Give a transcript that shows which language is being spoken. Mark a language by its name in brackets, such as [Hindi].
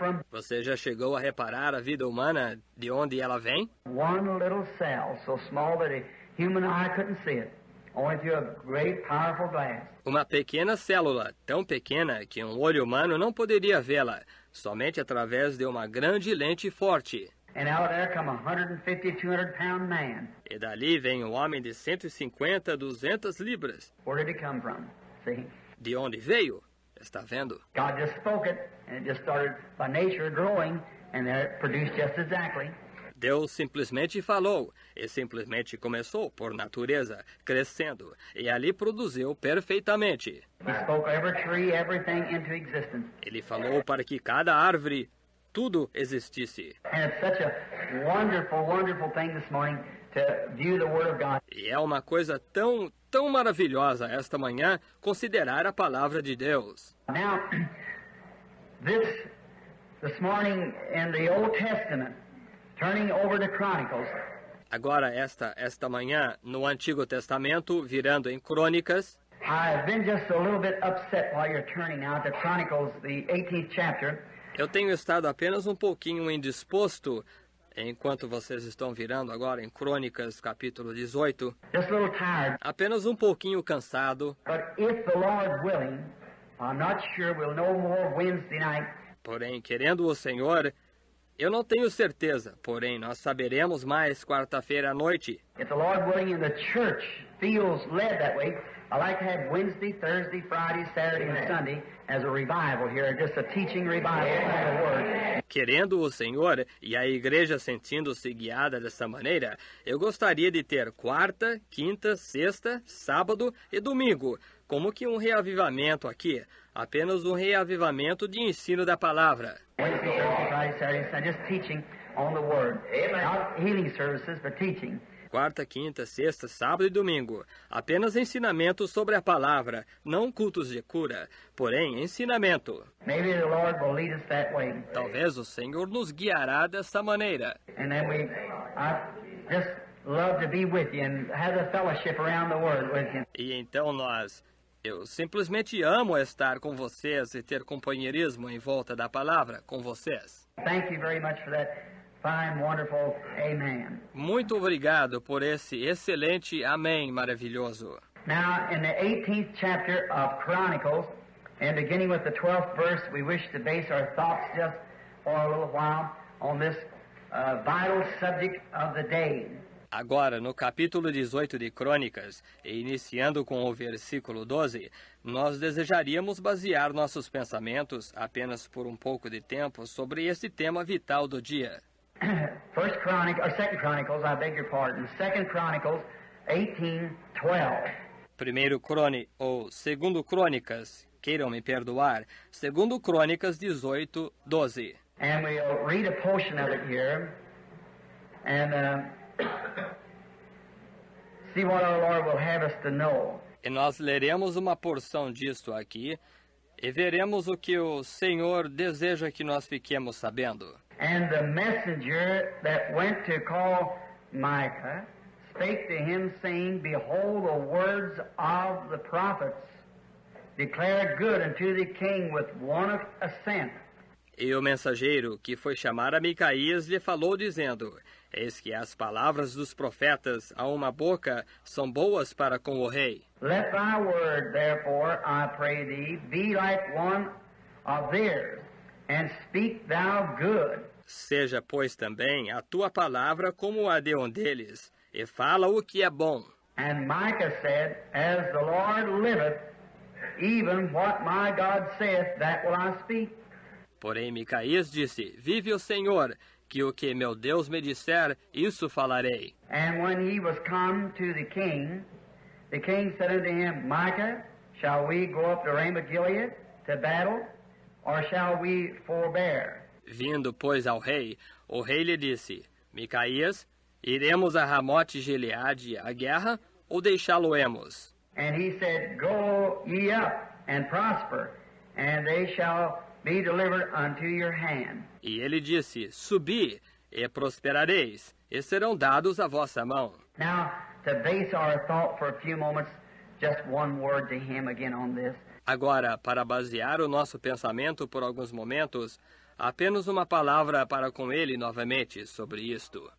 [Portuguese] Você já chegou a reparar a vida humana de onde ela vem? [English] One little cell, so small that a human eye couldn't see it, only through a great, powerful glass. [Portuguese] Uma pequena célula, tão pequena que um olho humano não poderia vê-la, somente através de uma grande lente forte. [English] And out there come a 150-200-pound man. [Portuguese] E dali vem um homem de 150-200 libras. [English] Where did he come from? [Portuguese] De onde veio? Está vendo? [English] God just spoke it, and it just started by nature growing, and then it produced just exactly. [Portuguese] Deus simplesmente falou, e simplesmente começou por natureza, crescendo, e ali produziu perfeitamente. [English] He spoke every tree, everything into existence. [Portuguese] Ele falou para que cada árvore, tudo existisse. [English] And it's such a wonderful, wonderful thing this morning to view the Word of God. [Portuguese] E é uma coisa tão, tão maravilhosa esta manhã considerar a palavra de Deus. [English] Now, this morning in the Old Testament, turning over to Chronicles. [Portuguese] Agora esta manhã no Antigo Testamento, virando em Crônicas. [English] I've been just a little bit upset while you're turning out to Chronicles, the 18th chapter. [Portuguese] Eu tenho estado apenas um pouquinho indisposto enquanto vocês estão virando agora em Crônicas, capítulo 18. [English] Just a little tired. [Portuguese] Apenas um pouquinho cansado. [English] But if the Lord willing, I'm not sure we'll know more Wednesday night. [Portuguese] Porém, querendo o Senhor, eu não tenho certeza. Porém, nós saberemos mais quarta-feira à noite. [English] If the Lord willing and the church feels led that way, I'd like to have Wednesday, Thursday, Friday, Saturday and Sunday as a revival here, just a teaching revival of the word. [Portuguese] Querendo o Senhor e a igreja sentindo-se guiada dessa maneira, eu gostaria de ter quarta, quinta, sexta, sábado e domingo, como que um reavivamento aqui, apenas um reavivamento de ensino da palavra. [English] Wednesday, Thursday, Friday, Saturday, Sunday, just teaching on the word. Amen. Not healing services, but teaching. [Portuguese] Quarta, quinta, sexta, sábado e domingo. Apenas ensinamento sobre a palavra, não cultos de cura, porém ensinamento. [English] Maybe the Lord will lead us that way. [Portuguese] Talvez o Senhor nos guiará dessa maneira. [English] And then I just love to be with you and have a fellowship around the world with you. [Portuguese] E então eu simplesmente amo estar com vocês e ter companheirismo em volta da palavra com vocês. [English] Thank you very much for that. Fine, wonderful, amen. [Portuguese] Muito obrigado por esse excelente amém maravilhoso. [English] Now, in the 18th chapter of Chronicles, and beginning with the 12th verse, we wish to base our thoughts just for a little while on this vital subject of the day. [Portuguese] Agora, no capítulo 18 de Crônicas, e iniciando com o versículo 12, nós desejaríamos basear nossos pensamentos apenas por um pouco de tempo sobre esse tema vital do dia. [English] First Chronicles, or Second Chronicles, I beg your pardon. Second Chronicles 18:12. [Portuguese] Primeiro ou Segundo Crônicas, queiram me perdoar. Segundo Crônicas 18, 12. [English] And we'll read a portion of it here and see what our Lord will have us to know. [Portuguese] E nós leremos uma porção disto aqui e veremos o que o Senhor deseja que nós fiquemos sabendo. [English] And the messenger that went to call Micah spake to him, saying, Behold, the words of the prophets declare good unto the king with one assent. [Portuguese] E o mensageiro que foi chamar a Micaías lhe falou, dizendo, Eis que as palavras dos profetas a uma boca são boas para com o rei. [English] Let thy word, therefore, I pray thee, be like one of theirs, and speak thou good. [Portuguese] Seja, pois, também a tua palavra como a de um deles, e fala o que é bom. [English] And Micah said, As the Lord liveth, even what my God saith, that will I speak. [Portuguese] Porém, Micaías disse, Vive o Senhor, que o que meu Deus me disser, isso falarei. [English] And when he was come to the king said unto him, Micah, shall we go up to Ramah-Gilead to battle, or shall we forbear? [Portuguese] Vindo, pois, ao rei, o rei lhe disse, Micaías, iremos a Ramote-Gileade à guerra, ou deixá-lo-emos? [English] And he said, Go ye up and prosper, and they shall... Be delivered unto your hand. [Portuguese] E ele disse, Subi, e prosperareis, e serão dados à vossa mão. [English] Now, to base our thought for a few moments, just one word to him again on this. [Portuguese] Agora, para basear o nosso pensamento por alguns momentos, apenas uma palavra para com ele novamente sobre isto.